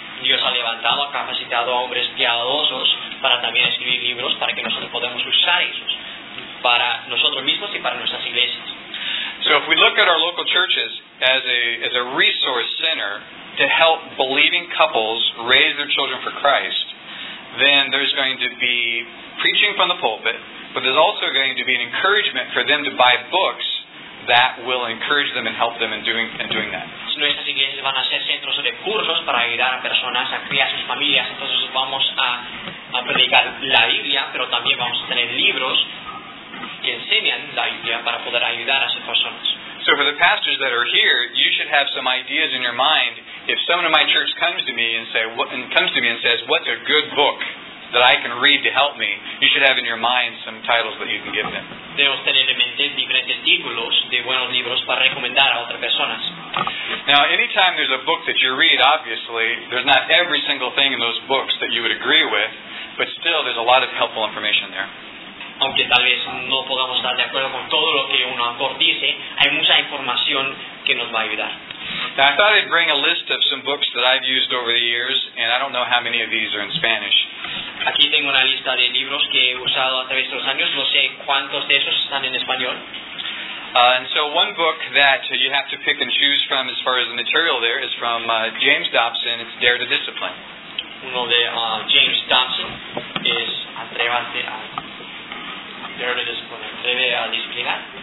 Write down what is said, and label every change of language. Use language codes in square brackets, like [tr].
[es] Dios ha levantado, ha capacitado a hombres piadosos para también escribir libros para que nosotros podamos usar esos para nosotros mismos y para nuestras iglesias. [en] So if we look at our local churches as a resource center to help believing couples raise their children for Christ, then there's going to be preaching from the pulpit, but there's also going to be an encouragement for them to buy books that will encourage them and help them in doing that. [es] Nuestras iglesias van a ser centros de cursos para ayudar a personas a criar sus familias. Entonces vamos a predicar la Biblia, pero también vamos a tener libros que enseñan la Biblia para poder ayudar a esas personas. [en] So for the pastors that are here, you should have some ideas in your mind. If someone in my church comes to me and says, what's a good book that I can read to help me, you should have in your mind some titles that you can give them. [es] Debemos tener en mente diferentes títulos de buenos libros para recomendar a otras personas. [en] Now, anytime there's a book that you read, obviously, there's not every single thing in those books that you would agree with, but still, there's a lot of helpful information there. [es] Aunque tal vez no podamos estar de acuerdo con todo lo que un autor dice, hay mucha información que nos va a ayudar. [en] Now, I thought I'd bring a list of some books that I've used over the years, and I don't know how many of these are in Spanish. [es] Aquí tengo una lista de libros que he usado a través de los años. No sé cuántos de esos están en español. [en] And so one book that you have to pick and choose from as far as the material there is from James Dobson. It's Dare to Discipline. [es] Uno de James Dobson es Atrévate a... Dare to Discipline. Atreve a disciplinar.